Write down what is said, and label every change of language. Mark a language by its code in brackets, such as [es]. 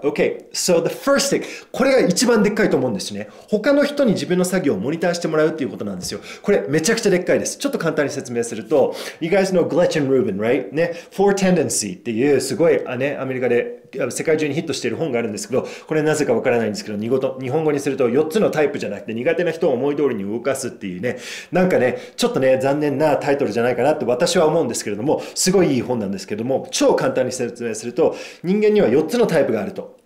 [en] Okay, so the first thing、 [ja] これが一番でっかいと思うんですね。他の人に自分の作業をモニターしてもらうっていうことなんですよ。これめちゃくちゃでっかいです。ちょっと簡単に説明すると [en] You guys know Gletch and Rubin, right? [ja] ね、Four Tendency っていうすごい、ね、アメリカで世界中にヒットしている本があるんですけど、これなぜかわからないんですけど、日本語にすると4つのタイプじゃなくて苦手な人を思い通りに動かすっていうね、なんかね、ちょっとね、残念なタイトルじゃないかなって私は思うんですけれども、すごいいい本なんですけども、超簡単に説明すると人間には4つのタイプがあると。